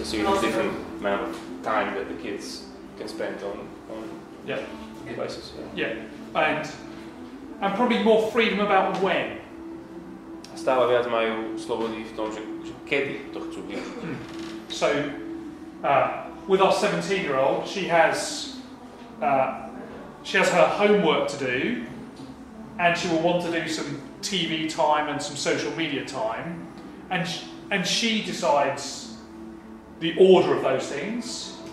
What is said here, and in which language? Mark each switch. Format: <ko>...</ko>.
<en>So you have a different amount of time that the kids can spend on devices. And probably more freedom about when.</en> <sk>Stále viac majú slobody v tom, že kedy to chcú byť.</sk> <en>So, with our 17-year-old, she has her homework to do, and she will want to do some TV time and some social media time, and she decides the order of those things.</en>